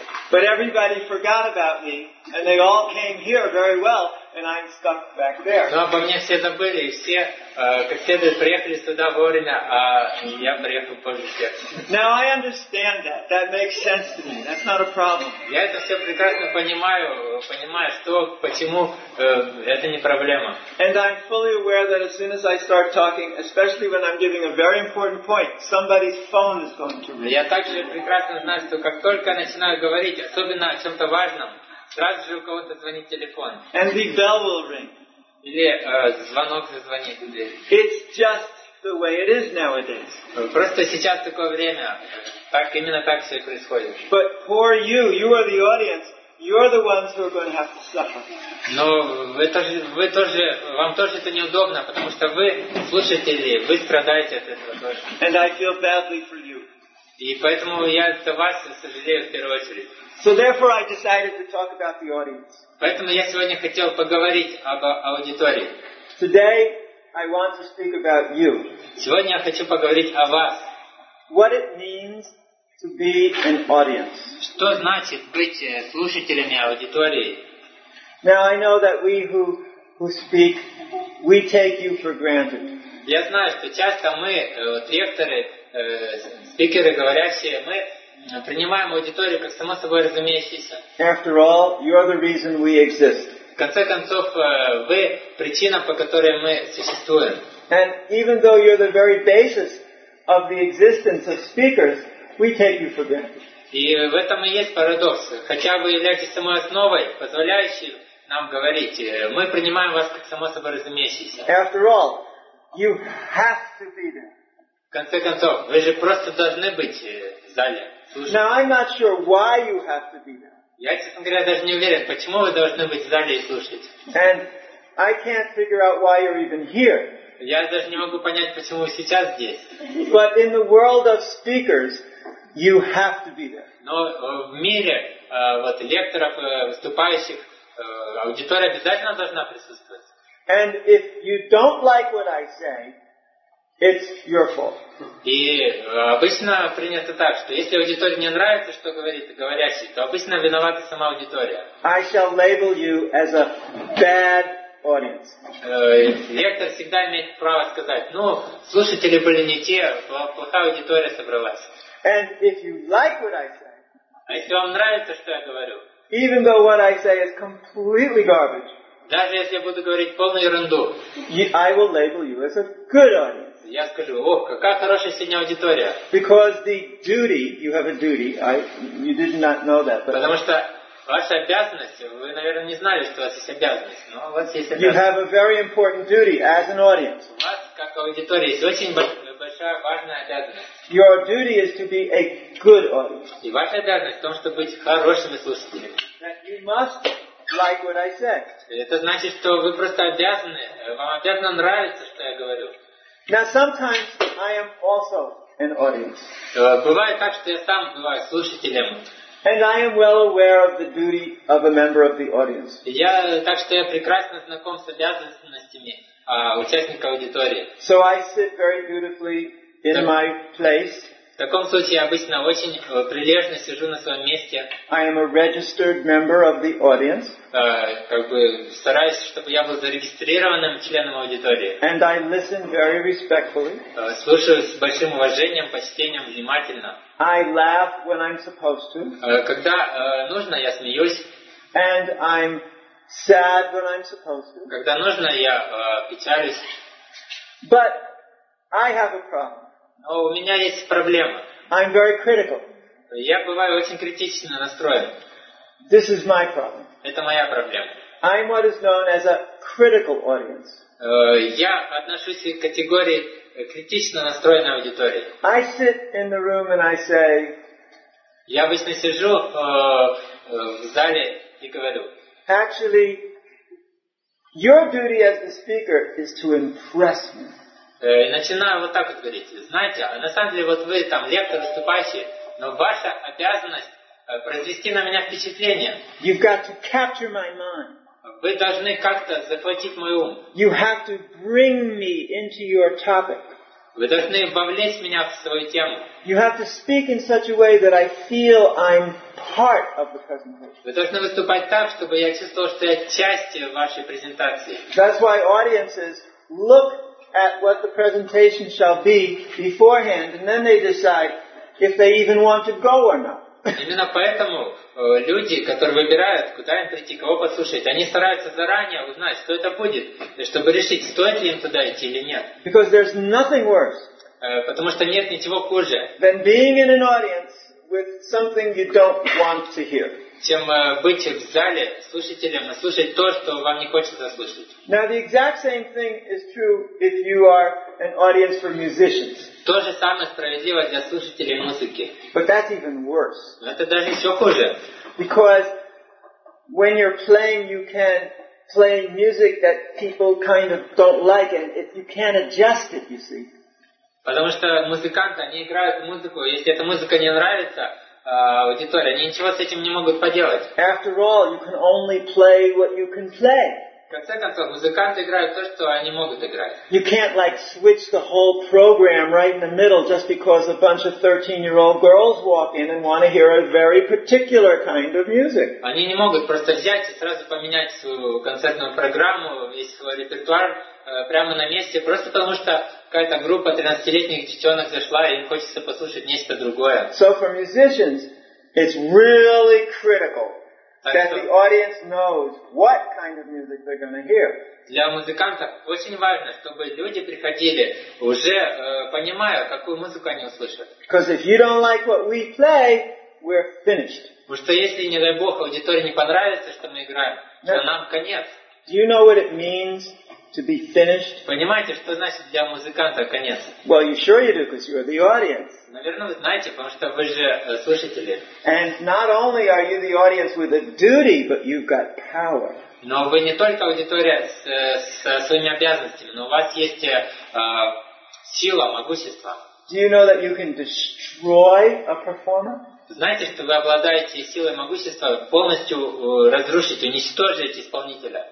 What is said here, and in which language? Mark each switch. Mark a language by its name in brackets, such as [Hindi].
[English] But everybody forgot about me, and they all came here very well, and I'm stuck back there. [Russian] Но обо мне все забыли, и все, как следует, приехали сюда вовремя, а я приехал позже всех. [English] Now I understand that. That makes sense to me. That's not a problem. [Russian] Я это все прекрасно понимаю, что, почему это не проблема. [English] And I'm fully aware that as soon as I start talking, especially when I'm giving a very important point, somebody's phone is going to ring. [Russian] Я также прекрасно знаю, что как только начинаю говорить, особенно о чем-то важном, сразу же у кого-то звонит телефон. [English] And the bell will ring. [Russian] Или звонок зазвонит в дверь. [English] It's just the way it is nowadays. [Russian] Просто сейчас такое время. Так, именно так все и происходит. [English] But poor you, you are the audience. You're the ones who are going to have to suffer. [Russian] Но вы тоже, вам тоже это неудобно, потому что вы слушатели, вы страдаете от этого тоже. [English] And I feel badly for you. [Russian] И поэтому я за вас сожалею в первую очередь. [English] So therefore I decided to talk about the audience. [Russian] Поэтому я сегодня хотел поговорить об аудитории. [English] Today I want to speak about you. [Russian] Сегодня я хочу поговорить о вас. [English] What it means to be an audience. [Russian] Что значит быть слушателями аудитории? [English] Now I know that we who speak, we take you for granted. [Russian] Я знаю, что часто мы, лекторы, спикеры, говорящие, мы принимаем аудиторию как само собой разумеющееся. [English] After all, you are the reason we exist. [Russian] В конце концов, вы причина, по которой мы существуем. [English] And even though you're the very basis of the existence of speakers, we take you for granted. [Russian] И в этом и есть парадокс. Хотя вы являетесь самой основой, позволяющей нам говорить, мы принимаем вас как само собой разумеющееся. [English] After all, you have to be there. [Russian] В конце концов, вы же просто должны быть в зале. [English] Now I'm not sure why you have to be there. [Russian] Я, честно говоря, даже не уверен, почему вы должны быть в зале и слушать. [English] And I can't figure out why you're even here. [Russian] Я даже не могу понять, почему вы сейчас здесь. [English] But in the world of speakers, you have to be there. [Russian] Но в мире вот лекторов, выступающих, аудитория обязательно должна присутствовать. [English] And if you don't like what I say, it's your fault. [Russian] И обычно принято так, что если аудитории не нравится, что говорит говорящий, то обычно виновата сама аудитория. [English] I shall label you as a bad audience. [Russian] Лектор всегда имеет право сказать: ну, слушатели были не те, плохая аудитория собралась. [English] And if you like what I say, [Russian] а если вам нравится, что я говорю, [English] even though what I say is completely garbage, [Russian] даже если я буду говорить полную ерунду, [English] I will label you as a good audience. [Russian] Я скажу: о, какая хорошая сегодня аудитория. [English] Because the duty, you have a duty, you did not know that. But [Russian] потому что ваша обязанность, вы, наверное, не знали, что у вас есть обязанность, но у вас есть обязанность. [English] You have a very important duty as an audience. [Russian] У вас, как аудитория, есть очень большая, важная обязанность. [English] Your duty is to be a good audience. [Russian] И ваша обязанность в том, чтобы быть хорошими слушателями. [English] That you must like what I said. [Russian] Это значит, что вы просто обязаны, вам обязано нравиться, что я говорю. [English] Now sometimes I am also an audience. [Russian] Бывает так, что я сам бываю слушателем. [English] And I am well aware of the duty of a member of the audience. [Russian] Я прекрасно знаком с обязанностями участника аудитории. [English] So I sit very dutifully in my place. [Russian] В таком случае я обычно очень прилежно сижу на своем месте. [English] I am a registered member of the audience. [Russian] Как бы стараюсь, чтобы я был зарегистрированным членом аудитории. [English] And I listen very respectfully. [Russian] Слушаю с большим уважением, почтением, внимательно. [English] I laugh when I'm supposed to. [Russian] Когда нужно, я смеюсь. [English] And I'm sad when I'm supposed to. [Russian] Когда нужно, я печалюсь. [English] But I have a problem. [Russian] Но у меня есть проблема. [English] I'm very critical. [Russian] Я бываю очень критично настроен. [English] This is my problem. [Russian] Это моя проблема. [English] I'm what is known as a critical audience. [Russian] Я отношусь к категории критично настроенной аудитории. [English] I sit in the room and I say. [Russian] Я обычно сижу в зале и говорю. [English] Actually, your duty as the speaker is to impress me. [Russian] Начинаю вот так вот говорить. Знаете, на самом деле вот вы там лектор выступающий, но ваша обязанность произвести на меня впечатление. [English] You've got to capture my mind. [Russian] Вы должны как-то захватить мой ум. [English] You have to bring me into your topic. [Russian] Вы должны вовлечь меня в свою тему. [English] You have to speak in such a way that I feel I'm part of the presentation. [Russian] Вы должны выступать так, чтобы я чувствовал, что я часть вашей презентации. [English] That's why audiences look at what the presentation shall be beforehand, and then they decide if they even want to go or not. [Russian] Именно поэтому люди, которые выбирают, куда им прийти, кого послушать, они стараются заранее узнать, что это будет, чтобы решить, стоит ли им туда идти или нет. [English] Because there's nothing worse. [Russian] Потому что нет ничего хуже. [English] Than being in an audience with something you don't want to hear. [Russian] Чем быть в зале слушателем и слушать то, что вам не хочется слушать. [English] Now the exact same thing is true if you are an audience for musicians. [Russian] То же самое справедливо для слушателей музыки. [English] But that's even worse. [Russian] Это даже еще хуже. [English] Because when you're playing, you can play music that people kind of don't like, and if you can't adjust it, you see. [Russian] Потому что музыканты, они играют музыку, если эта музыка не нравится аудитории, они ничего с этим не могут поделать. [English] After all, you can only play what you can play. [Russian] В конце концов, музыканты играют то, что они могут играть. [English] You can't like switch the whole program right in the middle just because a bunch of 13-year-old girls walk in and want to hear a very particular kind of music. [Russian] Они не могут просто взять и сразу поменять свою концертную программу, весь свой репертуар прямо на месте, просто потому что какая-то группа 13-летних детенок зашла и им хочется послушать нечто другое. [English] So for musicians, it's really critical. That the audience knows what kind of music they're going to hear. [Russian] Для музыкантов очень важно, чтобы люди приходили уже понимая, какую музыку они услышат. [English] Because if you don't like what we play, we're finished. [Russian] Потому что если не дай бог аудитории не понравится, что мы играем, то нам конец. [English] Do you know what it means to be finished? [Russian] Понимаете, что значит для музыканта конец? [English] Well, you sure you do, because you're the audience. [Russian] Наверное, вы знаете, потому что вы же слушатели. [English] And not only are you the audience with a duty, but you've got power. [Russian] Но вы не только аудитория со своими обязанностями, но у вас есть сила, могущество. [English] Do you know that you can destroy a performer? [Russian] Знаете, что вы обладаете силой, могуществом полностью разрушить, уничтожить исполнителя?